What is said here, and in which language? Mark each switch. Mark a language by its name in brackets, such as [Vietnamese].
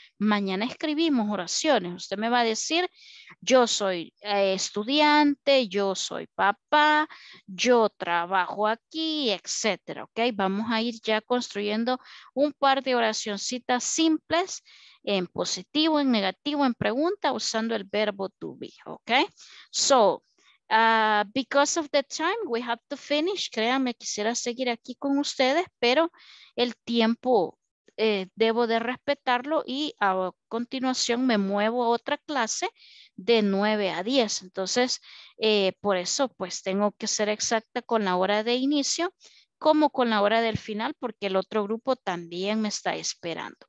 [Spanish] Mañana escribimos oraciones. Usted me va a decir, yo soy estudiante, yo soy papá, yo trabajo aquí, etcétera, ¿ok? Vamos a ir ya construyendo un par de oracioncitas simples en positivo, en negativo, en pregunta, usando el verbo to be, ¿ok? [English] So, because of the time, we have to finish. [Spanish] Créanme, quisiera seguir aquí con ustedes, pero el tiempo debo de respetarlo y a continuación me muevo a otra clase de 9 a 10. Entonces, por eso, pues, tengo que ser exacta con la hora de inicio como con la hora del final, porque el otro grupo también me está esperando.